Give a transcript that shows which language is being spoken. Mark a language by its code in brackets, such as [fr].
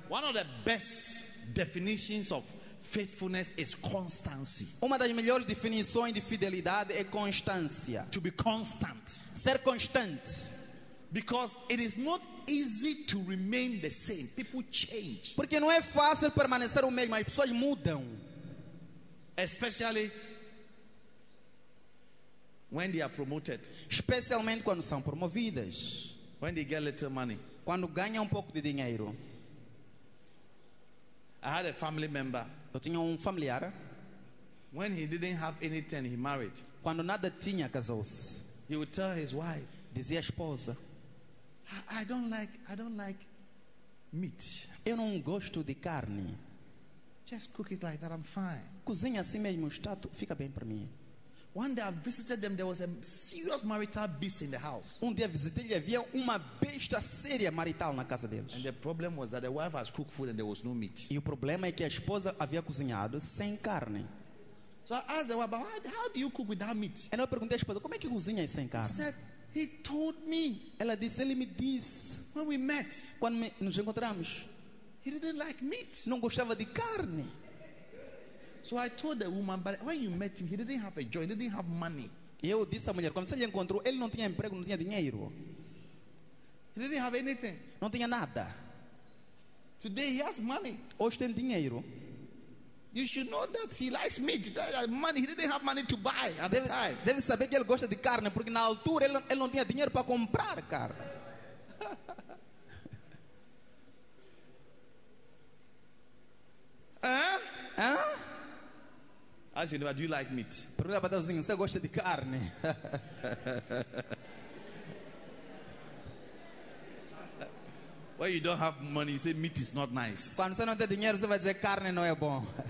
[en] One of the best definitions of faithfulness is constancy. [pt] Uma das melhores definições de fidelidade é constância. [en] To be constant. [pt] Ser constante. [en] Because it is not easy to remain the same. People change. [pt] Porque não é fácil permanecer o mesmo, as pessoas mudam. [en] Especially when they are promoted. [pt] Especialmente quando são promovidas. [en] When they get little money. [pt] Quando ganham um pouco de dinheiro. [en] I had a family member. [pt] Eu tinha um familiar. [en] When he didn't have anything, he married. [pt] Quando nada tinha, casou-se. [en] He would tell his wife. [pt] Dizia a esposa. [en] I don't like meat. [pt] Eu não gosto de carne. [en] Just cook it like that, I'm fine. [pt] Cozinha assim mesmo, está, fica bem para mim. [en] One day I visited them, there was a serious marital beast in the house. [pt] Um dia visitei, havia uma besta séria marital na casa deles. [en] And the problem was that the wife has cooked food and there was no meat. [pt] E o problema é que a esposa havia cozinhado sem carne. [en] So I asked the wife, but how do you cook without meat? [pt] E eu perguntei à esposa, como é que cozinha sem carne? [en] She said, he told me. [pt] Ela disse, ele me disse. [en] When we met. [pt] Quando nos encontramos. [en] He didn't like meat. [pt] Não gostava de carne. [en] So I told the woman, but when you met him, he didn't have a job, he didn't have money. [pt] Eu disse à mulher, quando você lhe encontrou, ele não tinha emprego, não tinha dinheiro. [en] He didn't have anything. [pt] Não tinha nada. [en] Today he has money. [pt] Hoje tem dinheiro. [en] You should know that he likes meat. That money, he didn't have money to buy at [pt] deve, [en] the time. [pt] Deve saber que ele gosta de carne, porque na altura ele não tinha dinheiro para comprar carne. [en] Hã? Ask your neighbor, do you like meat? [pt] Pergunta para o vizinho, você gosta de carne? [en] When you don't have money, you say meat is not nice. [pt] Quando você não tem dinheiro, você vai dizer carne não é bom.